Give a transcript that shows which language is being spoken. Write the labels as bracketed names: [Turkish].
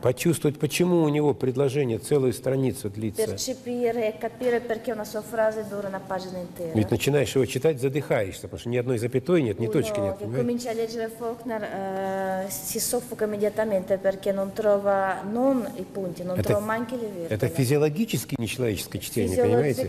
[Russian] Почувствовать, почему у него предложение целую страницу длится. [Italian] Percepire e capire perché una sua frase dura una pagina intera. [Russian] Ведь начинаешь его читать, задыхаешься, потому что ни одной запятой нет, ни точки нет. [Italian] Uno che comincia a leggere Faulkner si soffoca immediatamente perché non trova non i punti, non trova manche le virgole. [Russian] Это физиологически нечеловеческое чтение, понимаете?